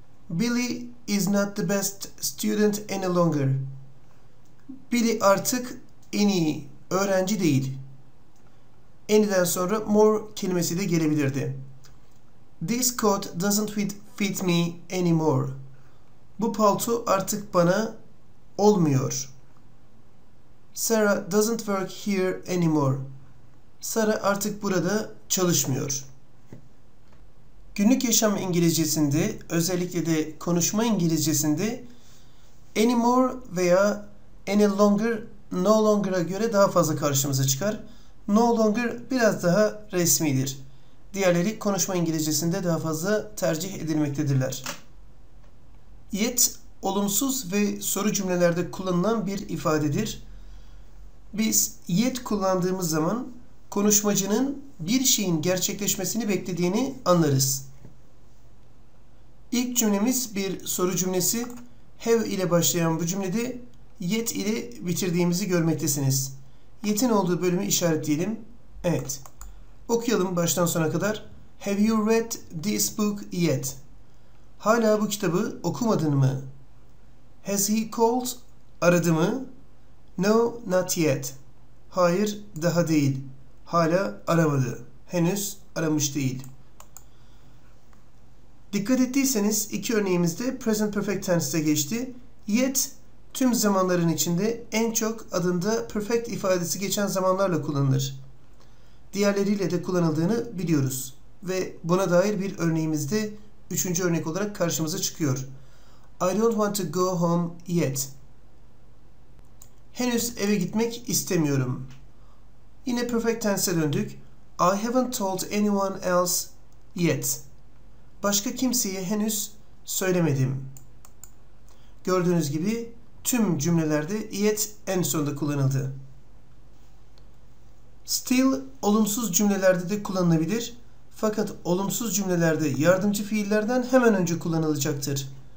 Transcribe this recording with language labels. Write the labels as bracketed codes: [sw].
[en] Billy is not the best student any longer. [tr] Billy artık en iyi öğrenci değil. Any'den sonra more kelimesi de gelebilirdi. [en] This coat doesn't fit me anymore. [tr] Bu palto artık bana olmuyor. [en] Sarah doesn't work here anymore. [tr] Sarah artık burada çalışmıyor. Günlük yaşam İngilizcesinde, özellikle de konuşma İngilizcesinde anymore veya any longer, no longer'a göre daha fazla karşımıza çıkar. No longer biraz daha resmidir. Diğerleri konuşma İngilizcesinde daha fazla tercih edilmektedirler. Yet olumsuz ve soru cümlelerde kullanılan bir ifadedir. Biz yet kullandığımız zaman konuşmacının bir şeyin gerçekleşmesini beklediğini anlarız. İlk cümlemiz bir soru cümlesi. Have ile başlayan bu cümlede yet ile bitirdiğimizi görmektesiniz. Yet'in olduğu bölümü işaretleyelim. Evet. Okuyalım baştan sona kadar. [en] Have you read this book yet? [tr] Hala bu kitabı okumadın mı? [en] Has he called? [tr] Aradı mı? [en] No, not yet. [tr] Hayır, daha değil. Hala aramadı. Henüz aramış değil. Dikkat ettiyseniz iki örneğimizde present perfect tense'e geçti. Yet, tüm zamanların içinde en çok adında perfect ifadesi geçen zamanlarla kullanılır. Diğerleriyle de kullanıldığını biliyoruz. Ve buna dair bir örneğimiz de üçüncü örnek olarak karşımıza çıkıyor. [en] I don't want to go home yet. [tr] Henüz eve gitmek istemiyorum. Yine perfect tense'e döndük. [en] I haven't told anyone else yet. [tr] Başka kimseye henüz söylemedim. Gördüğünüz gibi tüm cümlelerde yet en sonunda kullanıldı. Still olumsuz cümlelerde de kullanılabilir. Fakat olumsuz cümlelerde yardımcı fiillerden hemen önce kullanılacaktır.